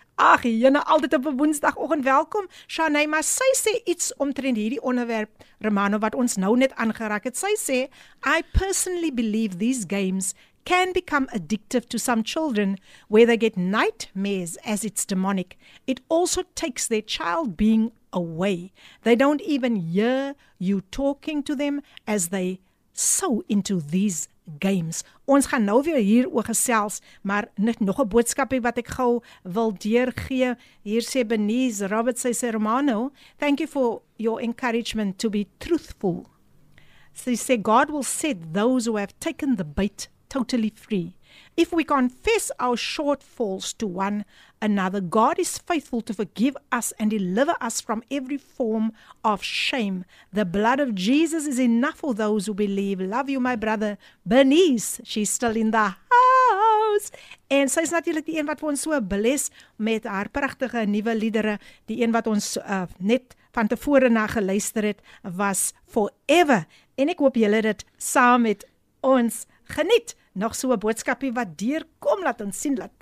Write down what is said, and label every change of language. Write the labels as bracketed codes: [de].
[af] Ag, jyne, altyd op 'n woensdagoggend welkom, Shanae, maar sy sê iets omtrent hierdie onderwerp, Romano, wat ons nou net aangeraak het. Sy sê, [en] I personally believe these games can become addictive to some children where they get nightmares as it's demonic. It also takes their child being away. They don't even hear you talking to them as they so into these games. Ons gaan nou weer hier oor gesels, maar net nog 'n boodskapie wat ek gou wil deurgee. [af] Hier sê [en] Benise Robert, [af] sy sê [en] Romano, thank you for your encouragement to be truthful. [af] Sy sê [en] God will set those who have taken the bait totally free. If we confess our shortfalls to one another, God is faithful to forgive us and deliver us from every form of shame. The blood of Jesus is enough for those who believe. Love you, my brother. Bernice, she's still in the house. [af] En sy is natuurlijk die een wat ons so bless met haar prachtige nieuwe liedere. Die een wat ons net van tevore na geluister het, was Forever. En ek hoop julle dit saam met ons geniet. Nog so 'n boodskapie wat deur kom, laat ons sien.